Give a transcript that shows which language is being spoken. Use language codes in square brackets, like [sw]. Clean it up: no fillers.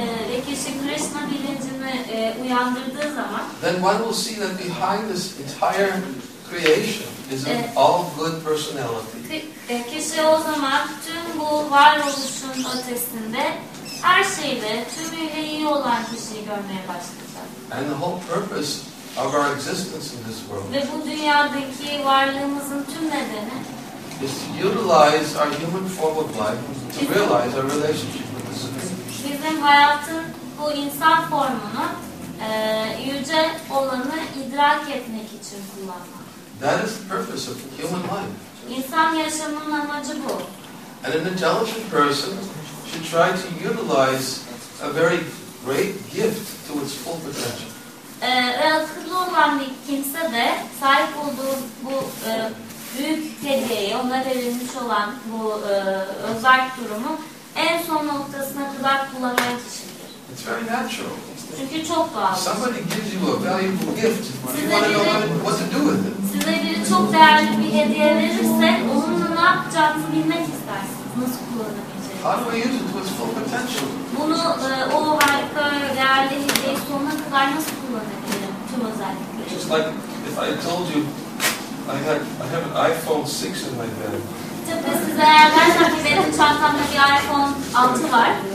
[tr] Ve kişi Krishna bilincini uyandırdığı zaman. [en] Then one will see that behind this entire creation is an all good personality. [tr] Kişi o zaman tüm bu varoluşun ötesinde her şeyde tüm üyeyi iyi olan kişiyi görmeye başlayacak. [en] And the whole purpose of our existence in this world. [tr] Ve bu dünyadaki varlığımızın tüm nedeni [en] is to utilize our human form of life to realize our relationship with the Supreme. [tr] Bizim hayatın bu insan formunu yüce olanı idrak etmek için kullanmak. [en] That is the purpose of human life. [tr] İnsan yaşamının amacı bu. [en] And an intelligent person should try to utilize a very great gift to its full potential. [tr] Ve akıllı olan bir kimse de sahip olduğu bu büyük hediyeyi, ona verilmiş olan bu özel durumu en son noktasına kadar kullanan kişidir. [en] It's very natural. [tr] Çünkü çok doğal. [en] Somebody gives you a valuable gift. You want to know what to do with it. [tr] Size biri çok değerli bir hediye verirse onun ne yapacağını bilmek istersiniz. Nasıl kullanabilirsiniz? [en] How do I use it to its full potential? [tr] Bunu o harika değerli hediyeyi sonuna kadar nasıl kullanabilirim tüm özellikleri? [en] Just like if I told you I have an iPhone 6 in my bag. [tr] Tıpkı size eğer ben sanki benim çantamda bir iPhone 6 var.